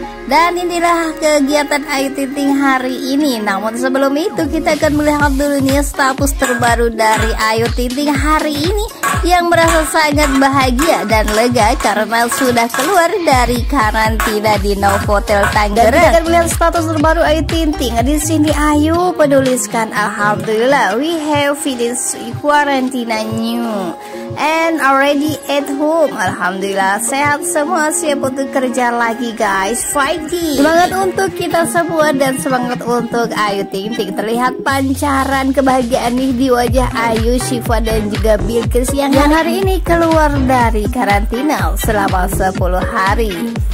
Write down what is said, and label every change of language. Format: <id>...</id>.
<id>Dan inilah kegiatan Ayu Ting Ting hari ini. Namun sebelum itu, kita akan melihat dulu nih status terbaru dari Ayu Ting Ting hari ini yang merasa sangat bahagia dan lega karena sudah keluar dari karantina di Novo Hotel Tangerang. Dan kita akan melihat status terbaru Ayu Ting Ting.</id> <en>Di sini Ayu menuliskan, "Alhamdulillah, we have finished quarantine new and already at home.</en> <id>Alhamdulillah, sehat semua, siap untuk kerja lagi guys. Fighting." Semangat untuk kita semua dan semangat untuk Ayu Ting Ting. Terlihat pancaran kebahagiaan nih di wajah Ayu, Syifa dan juga Bilqis yang hari ini keluar dari karantina selama 10 hari.</id>